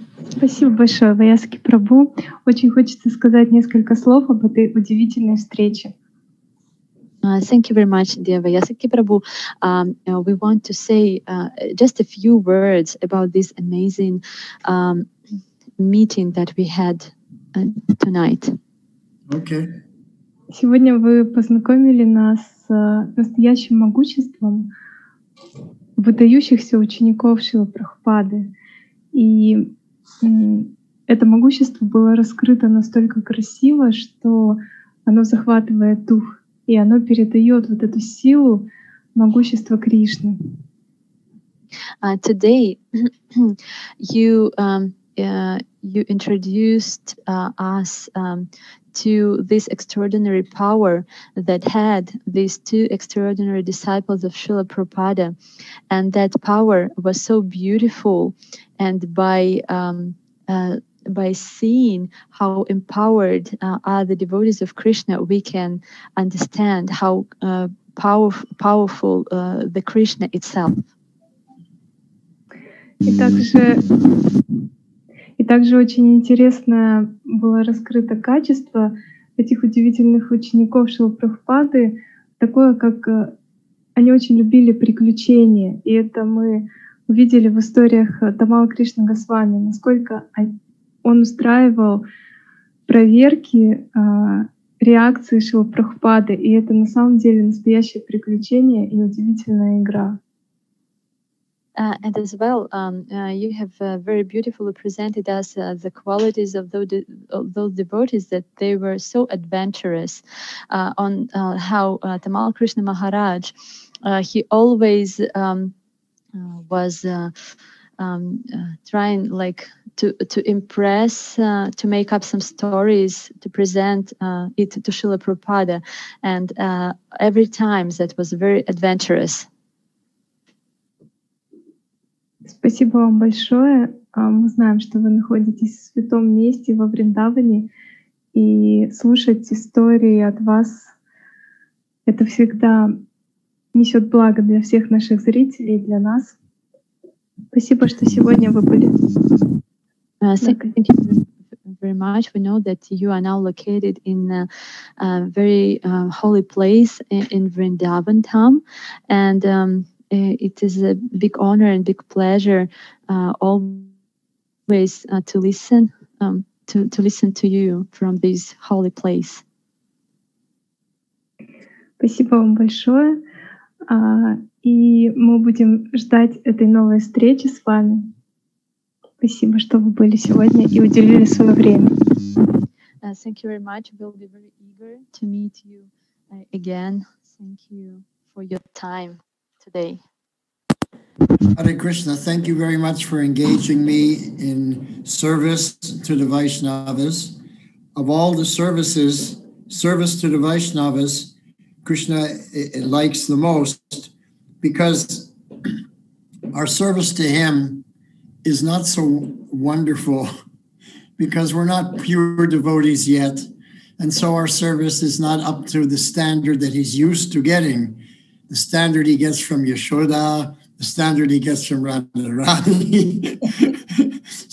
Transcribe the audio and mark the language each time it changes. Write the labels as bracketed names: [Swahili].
[Russian] Спасибо большое, Ваяски Прабу. Очень хочется сказать несколько слов об этой удивительной встрече. [English] Thank you very much, dear Vayasaki Prabhu. We want to say just a few words about this amazing meeting that we had tonight. Okay. [Russian] Сегодня вы познакомили нас с настоящим могуществом выдающихся учеников Шрилы Прабхупады. И это могущество было раскрыто настолько красиво, что оно захватывает дух. И оно передает вот эту силу могущества Кришны. [English] Today you introduced us to this extraordinary power that had these two extraordinary disciples of Srila Prabhupada, and that power was so beautiful, and by seeing how empowered are the devotees of Krishna, we can understand how powerful the Krishna itself. [Russian] И также очень интересно было раскрыто качество этих удивительных учеников Шрилы Прабхупады, такое, как они очень любили приключения, и это мы увидели в историях Тамал Кришна Госвами, насколько он устраивал проверки реакции Шрилы Прабхупады, и это на самом деле настоящее приключение и удивительная игра. [English] And as well, you have very beautifully presented us the qualities of those devotees, that they were so adventurous on how Tamal Krishna Maharaj, he always was trying like to impress, to make up some stories, to present it to Srila Prabhupada. And every time that was very adventurous. [Russian] Спасибо вам большое. Мы знаем, что вы находитесь в святом месте во Вриндаване, и слушать истории от вас — это всегда несет благо для всех наших зрителей и для нас. Спасибо, что сегодня вы были. [English] Thank you very much. We know that you are now located in a very holy place in Vrindavan Dham, and it is a big honor and big pleasure always to listen to you from this holy place. [Russian] Спасибо вам большое. И мы будем ждать этой новой встречи с вами. Спасибо, что вы были сегодня и уделили свое время. [English] Thank you very much. We'll be very eager to meet you again. Thank you for your time today. Hare Krishna, thank you very much for engaging me in service to the Vaishnavas. Of all the services, service to the Vaishnavas, Krishna likes the most, because our service to him is not so wonderful, because we're not pure devotees yet, and so our service is not up to the standard that he's used to getting, the standard he gets from Yashoda, the standard he gets from Radharani.